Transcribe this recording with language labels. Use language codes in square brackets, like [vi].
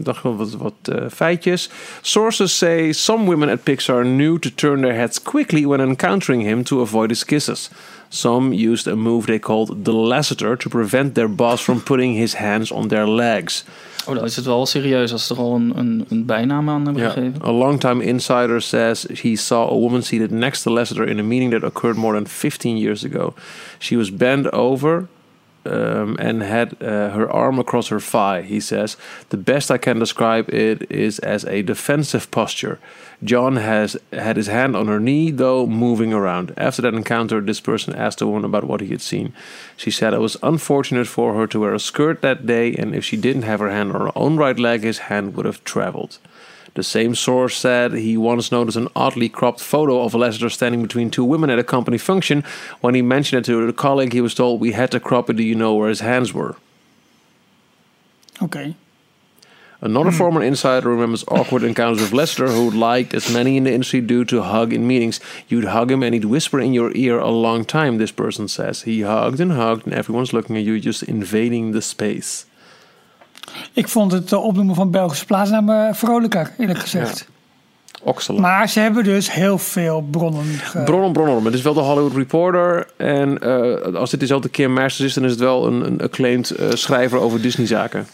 [nl] Feitjes. [en] Sources say some women at Pixar knew to turn their heads quickly when encountering him to avoid his kisses. Some used a move they called the Lasseter to prevent their boss from putting his hands on their legs. [nl] Oh, dan is het wel serieus als ze er al een bijnaam aan hebben gegeven. [en] A longtime insider says he saw a woman seated next to Lasseter in a meeting that occurred more than 15 years ago. She was bent over and had her arm across her thigh, he says. The best I can describe it is as a defensive posture. John has had his hand on her knee, though moving around. After that encounter, this person asked the woman about what he had seen. She said it was unfortunate for her to wear a skirt that day, and if she didn't have her hand on her own right leg, his hand would have traveled. The same source said he once noticed an oddly cropped photo of Lasseter standing between two women at a company function. When he mentioned it to a colleague, he was told, "We had to crop it. Do you know where his hands were?" Okay. Another former insider remembers awkward encounters with Lasseter, who liked, as many in the industry do, to hug in meetings. You'd hug him and he'd whisper in your ear a long time, this person says. He hugged and hugged and everyone's looking at you, just invading the space. [nl] Ik vond het opnoemen van Belgische plaatsnamen vrolijker, eerlijk gezegd. Ja. Okselen. Maar ze hebben dus heel veel bronnen. Bronnen. Maar het is wel de Hollywood Reporter. En als dit dezelfde keer Masters is, dan is het wel een acclaimed schrijver over Disney-zaken.